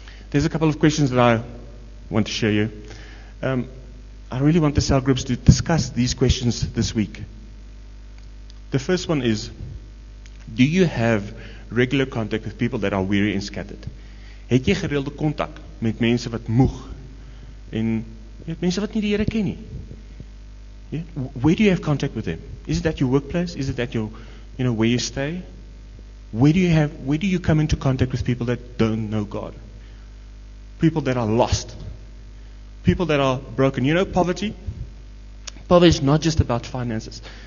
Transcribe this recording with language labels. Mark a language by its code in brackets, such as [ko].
[en] There's a couple of questions that I want to share you. I really want the cell groups to discuss these questions this week. The first one is, do you have regular contact with people that are weary and scattered? [af] Het jy gereelde kontak met mense wat moeg en met mense wat nie die Here ken nie? [en] Where do you have contact with them? Is it at your workplace? Is it at your, you know, where you stay? Where do you come into contact with people that don't know God? People that are lost. People that are broken. You know, poverty? Poverty is not just about finances.